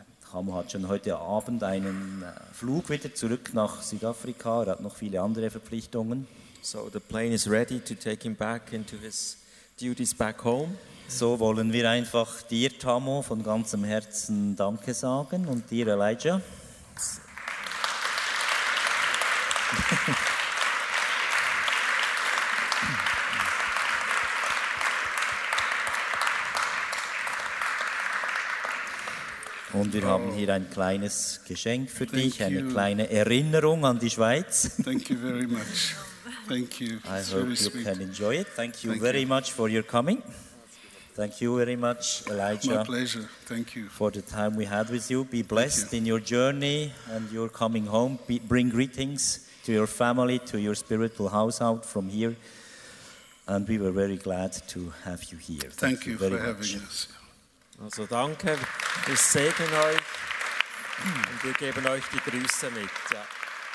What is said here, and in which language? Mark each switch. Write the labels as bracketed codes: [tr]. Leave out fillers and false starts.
[de] Tamo hat schon heute Abend einen Flug wieder zurück nach Südafrika. Er hat noch viele andere Verpflichtungen. [en] So the plane is ready to take him back into his duties back home. [de] So wollen wir einfach dir, Tamo, von ganzem Herzen Danke sagen und dir, Elijah. Und wir haben hier ein kleines Geschenk für [en] Thank [de] dich, eine you. Kleine Erinnerung an die Schweiz. [en] Thank you very much. Thank you. I hope you can enjoy it. Thank you very much for your coming. Thank you very much, Elijah. My pleasure. Thank you. For the time we had with you. Be blessed in your journey and your coming home. Bring greetings to your family, to your spiritual household from here. And we were very glad to have you here. Thank you very much for having us. [de] Also danke, wir segnen euch und wir geben euch die Grüße mit.